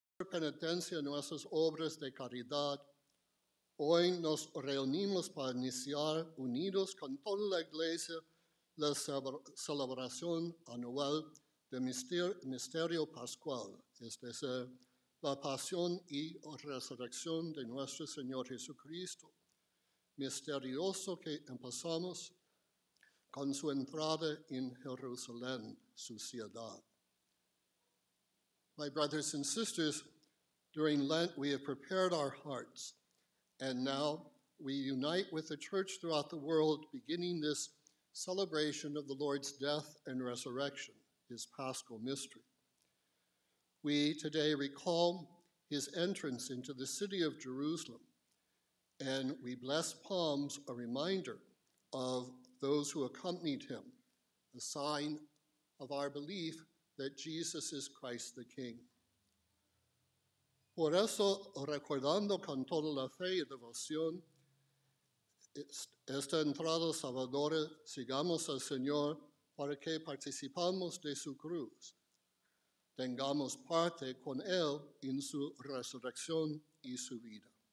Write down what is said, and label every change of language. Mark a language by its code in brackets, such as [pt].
[es] penitencia y nuestras obras de caridad, hoy nos reunimos para iniciar, unidos con toda la Iglesia, la celebración anual del misterio pascual, es decir, la pasión y resurrección de nuestro Señor Jesucristo. Misterioso que empezamos con su entrada en Jerusalén, su ciudad. [en] My brothers and sisters, during Lent we have prepared our hearts, and now we unite with the church throughout the world, beginning this celebration of the Lord's death and resurrection, his Paschal mystery. We today recall his entrance into the city of Jerusalem, and we bless palms, a reminder of those who accompanied him, a sign of our belief that Jesus is Christ the King. [es] Por eso, recordando con toda la fe y devoción esta entrada salvadora, sigamos al Señor para que participamos de su cruz. Tengamos parte con él en su resurrección y su vida.